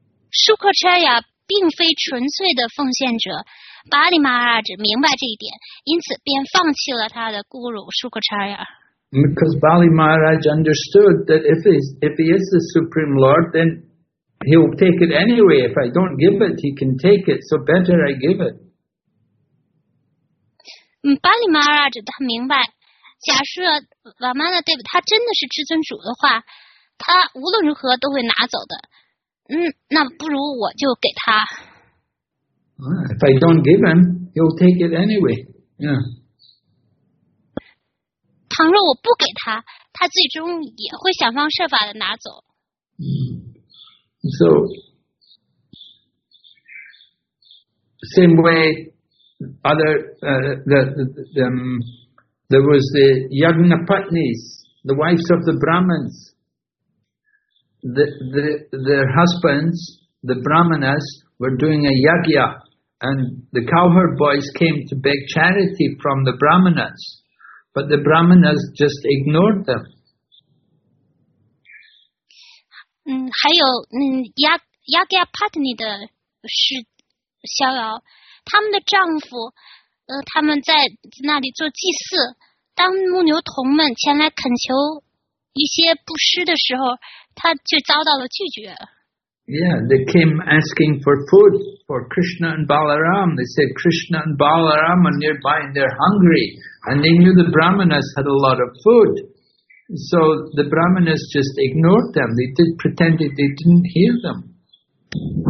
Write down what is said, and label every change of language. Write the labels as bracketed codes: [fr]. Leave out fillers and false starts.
[zh] Sukracharya 并非纯粹的奉献者，巴利马哈拉明白这一点，因此便放弃了他的 guru Sukracharya. [en] Because Bali Maharaj understood that if he is the supreme lord, then. He'll take it anyway. If I don't give it, he can take it. So better I give it. [zh] 巴利马哈拉者他明白，假设瓦曼纳对他真的是至尊主的话，他无论如何都会拿走的。那不如我就给他。 [en] If I don't give him, he'll take it anyway. Yeah. [zh] 倘若我不给他，他最终也会想方设法的拿走。 [en] So, same way, there was the Yajnapatnis, the wives of the Brahmins. Their husbands, the Brahmanas, were doing a yagya, and the cowherd boys came to beg charity from the Brahmanas, but the Brahmanas just ignored them. [zh] 还有Yagya Patni 的是逍遥，他们的丈夫，他们在那里做祭祀。当牧牛童们前来恳求一些布施的时候，他却遭到了拒绝。 [en] Yeah, they came asking for food for Krishna and Balaram. They said Krishna and Balaram are nearby and they're hungry, and they knew the Brahmanas had a lot of food. So the Brahmanas just ignored them. They did pretend that they didn't hear them.